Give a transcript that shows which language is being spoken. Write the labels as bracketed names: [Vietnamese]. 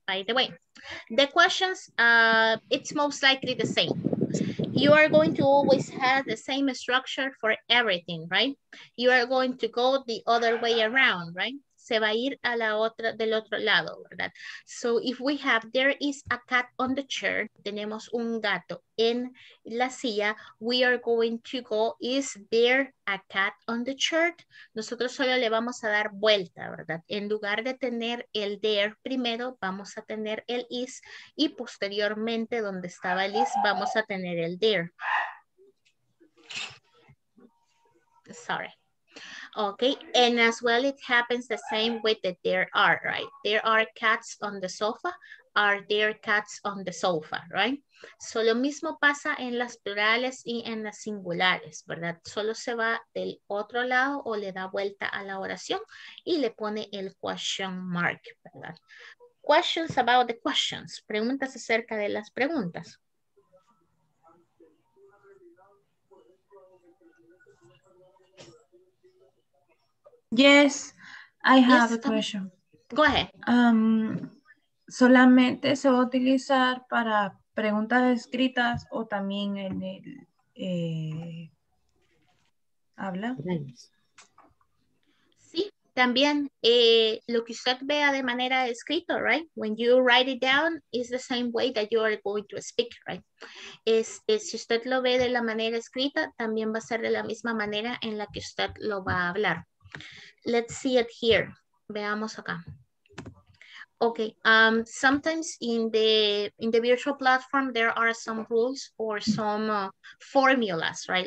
[English] By the way, the questions, it's most likely the same. You are going to always have the same structure for everything, right? You are going to go the other way around, right? [Spanish] Se va a ir a la otra, del otro lado, ¿verdad? [English] So if we have, there is a cat on the chair, [Spanish] tenemos un gato en la silla, [English] we are going to go, is there a cat on the chair? [Spanish] Nosotros solo le vamos a dar vuelta, ¿verdad? En lugar de tener el there primero, vamos a tener el is, y posteriormente donde estaba el is, vamos a tener el there. [English] Sorry. Okay, and as well, it happens the same with the there are, right? There are cats on the sofa. Are there cats on the sofa, right? [Spanish] So lo mismo pasa en las plurales y en las singulares, ¿verdad? Solo se va del otro lado o le da vuelta a la oración y le pone el question mark, ¿verdad? [English] Questions about the questions. [Spanish] Preguntas acerca de las preguntas. [English] Yes, I have a question. Go ahead. [Spanish] ¿Solamente se va a utilizar para preguntas escritas o también en el habla? Sí, también lo que usted vea de manera escrita, right? [English] When you write it down, is the same way that you are going to speak, right? [Spanish] Si usted lo ve de la manera escrita, también va a ser de la misma manera en la que usted lo va a hablar. [English] Let's see it here. [Spanish] Veamos acá. [English] Okay. Sometimes in the virtual platform there are some rules or some formulas, right?